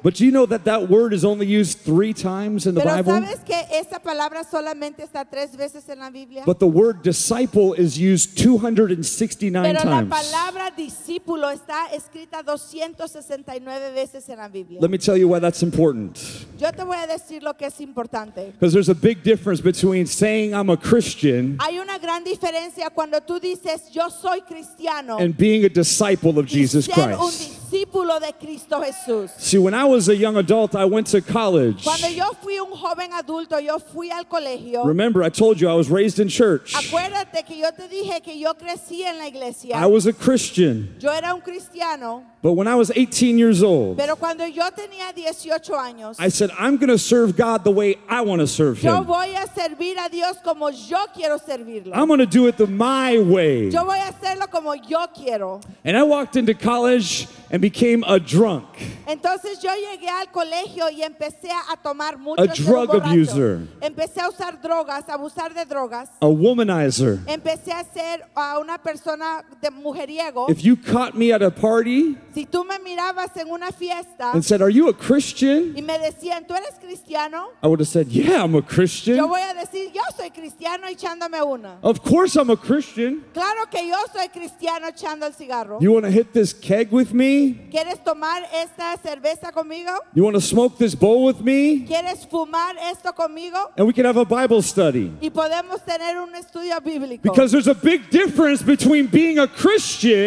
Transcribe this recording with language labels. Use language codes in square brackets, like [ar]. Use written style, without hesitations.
[en] But do you know that that word is only used 3 times in the Bible? [es] Pero sabes que esa palabra solamente está 3 veces. [en] But the word disciple is used 269 times. [es] Pero la palabra discípulo está escrita 269 veces en la Biblia. [en] Let me tell you why that's important. [es] Yo te voy a decir lo que es importante. [en] Because there's a big difference between saying I'm a Christian. [es] Hay una gran diferencia cuando tú dices yo soy cristiano. [en] And being a disciple of Jesus Christ. [es] Ser un discípulo discípulo de Cristo Jesús. [en] See, when I was a young adult, I went to college. [es] Cuando yo fui un joven adulto, yo fui al colegio. [en] Remember, I told you I was raised in church. [es] Acuérdate que yo te dije que yo crecí en la iglesia. [en] I was a Christian. [es] Yo era un cristiano. [en] But when I was 18 years old, [es] pero cuando yo tenía 18 años, [en] I said, I'm going to serve God the way I want to serve [es] yo [en] him. [es] Voy a servir a Dios como yo quiero servirlo. [en] I'm going to do it my way. [es] Yo voy a hacerlo como yo quiero. [en] And I walked into college and became a drunk. [es] Entonces yo llegué al colegio y empecé a tomar mucho. [en] A drug abuser. [es] Empecé a usar drogas, a abusar de drogas. [en] A womanizer. [es] Empecé a ser a una persona de mujeriego. [en] If you caught me at a party, [es] si tú me mirabas en una fiesta, [en] and said, "Are you a Christian?" [es] Y me decían, "¿Tú eres cristiano?" [en] I would have said, "Yeah, I'm a Christian." [es] Yo voy a decir, "Yo soy cristiano echándome una." [en] Of course I'm a Christian. [es] Claro que yo soy cristiano echando el cigarro. [en] You want to hit this keg with me? [es] ¿Quieres tomar esta cerveza conmigo? [en] You want to smoke this bowl with me? [es] ¿Quieres fumar esto conmigo? [en] And we can have a Bible study. [es] Y podemos tener un estudio bíblico. [en] Because there's a big difference between being a Christian,